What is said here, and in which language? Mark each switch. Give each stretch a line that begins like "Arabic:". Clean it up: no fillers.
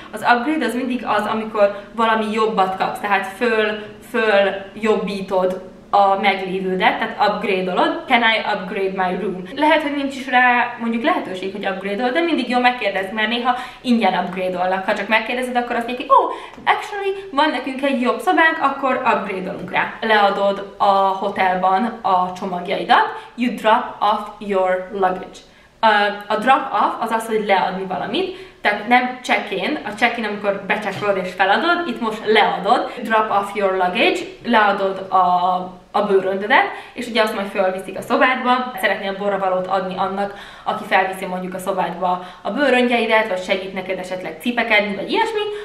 Hungarian: Az upgrade az mindig az, amikor valami jobbat kapsz, tehát föl jobbítod a meglévődet, tehát upgrade-olod.
English: Can I upgrade my room?
Hungarian: Lehet, hogy nincs is rá mondjuk lehetőség, hogy upgrade-ol, de mindig jó megkérdezni, mert néha ingyen upgrade-olnak. Ha csak megkérdezed, akkor azt mondja,
English: oh, actually,
Hungarian: van nekünk egy jobb szobánk, akkor upgrade-olunk rá. Leadod a hotelban a csomagjaidat.
English: You drop off your luggage.
Hungarian: A drop off az az, hogy leadni valamit, tehát nem check-in, a check-in amikor becsekkolod és feladod, itt most leadod,
English: drop off your luggage,
Hungarian: leadod a bőröndödet, és ugye azt majd fölviszik a szobádba, szeretnél borravalót adni annak, aki felviszi mondjuk a szobádba a bőröndjeidet, vagy segít neked esetleg cipekedni, vagy ilyesmi.